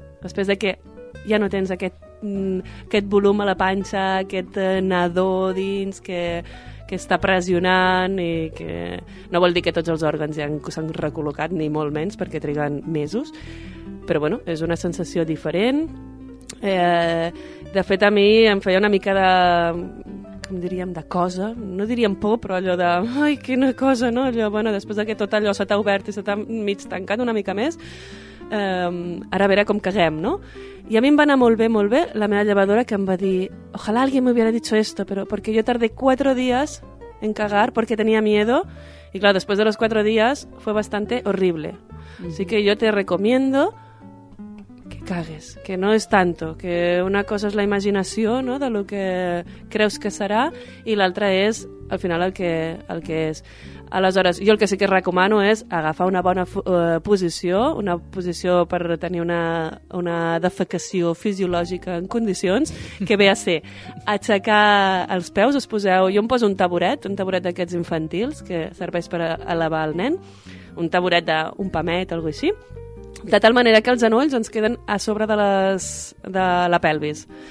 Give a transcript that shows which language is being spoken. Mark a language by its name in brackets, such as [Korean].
[Catalan] Després de que ja no tens aquest volum a la panxa, aquest nadó dins que està pressionant i que no vol dir que tots els òrgans ja s'han recol·locat ni molt menys perquè triguen mesos, però bueno, és una sensació diferent. De fet, a mi em feia una mica de, com diríem, de cosa, no diríem por, però allò de, ai, quina cosa, no? Allò, bueno, després de que tot allò se t'ha obert i se t'ha mig tancat una mica més, ara a veure com caguem, no? I a mi em va anar molt bé, molt bé, la meva llevadora que em va dir, [Spanish] ojalá alguien me hubiera dicho esto, pero porque yo tardé 4 días en cagar porque tenía miedo, y claro, después de los 4 días fue bastante horrible. Así que yo te recomiendo... [Catalan] cagues, que no és tanto, que una cosa és la imaginació, no, de lo que creus que serà, i l'altra és al final el que és. Aleshores, jo el que sí que recomano és agafar una bona posició, una posició per tenir una defecació fisiològica en condicions, que ve a ser aixecar els peus, us poseu, jo em poso un taburet d'aquests infantils que serveix per elevar el nen, un taburet d'un pamet, alguna cosa així, de tal manera que els genolls ens queden a sobre de la pelvis.